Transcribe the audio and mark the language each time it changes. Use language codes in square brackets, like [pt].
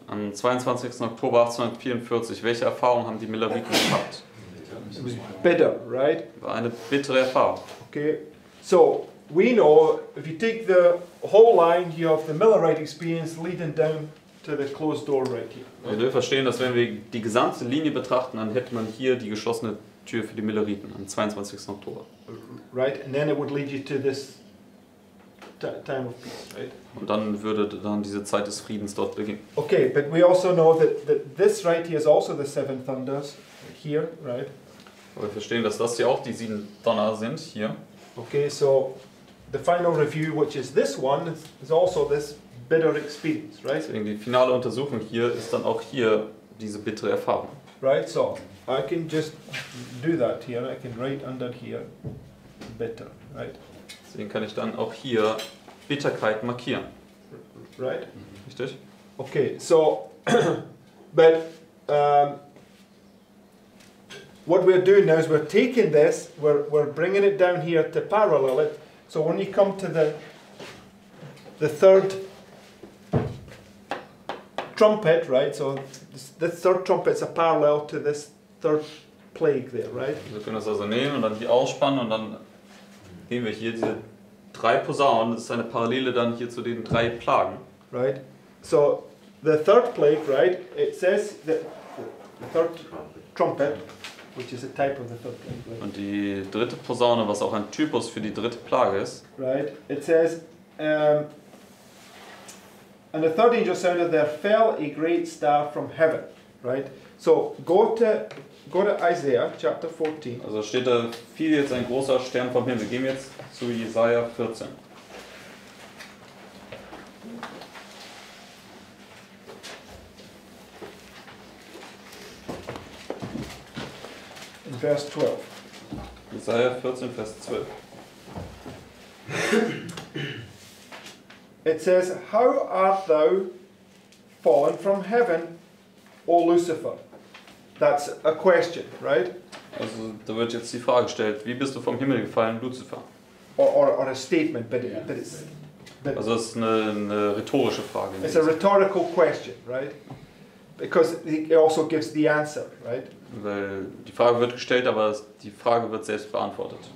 [de] Am 22. Oktober 1844, welche Erfahrung haben die Milleriten gehabt? [en] It was bitter, right? [de] War eine bittere Erfahrung. [en] Okay. So, we know, if you take the whole line, you have the Millerite experience leading down to the closed door right here. [de] Wir dürfen verstehen, dass wenn wir die gesamte Linie betrachten, dann hätte man hier die geschlossene Tür für die Milleriten am 22. Oktober. [en] Right, and then it would lead you to this time of peace, right? [de] Und dann würde dann diese Zeit des Friedens dort beginnen. [en] Okay, but we also know that this right here is also the seven thunders here, right? [de] Aber wir verstehen, dass das hier auch die sieben Donner sind, hier. [en] Okay, so the final review, which is this one, is also this bitter experience, right? [de] Deswegen die finale Untersuchung hier ist dann auch hier diese bittere Erfahrung. [en] Right, so I can just do that here. I can write under here bitter, right? [de] Deswegen kann ich dann auch hier Bitterkeit markieren. [en] Right? [de] Richtig? [en] Okay, so but what we're doing now is we're taking this, we're bringing it down here to parallel it. So when you come to the third trumpet, right? So this third trumpet is a parallel to this third plague there, right? [de] Wir können das also nehmen und dann die ausspannen und dann nehmen wir hier diese drei Posaunen. Das ist eine Parallele dann hier zu den drei Plagen. [en] Right. So the third plague, right? It says that the third trumpet. Which is a type of the third plague. Right? [de] Und die dritte Posaune, was auch ein Typus für die dritte Plage ist. [en] Right. It says, and the third angel sounded, there fell a great star from heaven. Right. So go to Isaiah chapter 14. [de] Also steht da, fiel jetzt ein großer Stern vom Himmel. Gehen wir jetzt zu Jesaja 14. Vers 12. Jesaja 14, Vers 12. [en] It says, how art thou fallen from heaven, O Lucifer? That's a question, right? [de] Also da wird jetzt die Frage gestellt, wie bist du vom Himmel gefallen, Lucifer? [en] Or a statement, but, yeah. but it's... [de] But also es ist eine rhetorische Frage. [en] It's a rhetorical question, right? Because it also gives the answer, right? [de] Weil die Frage wird gestellt, aber die Frage wird selbst beantwortet.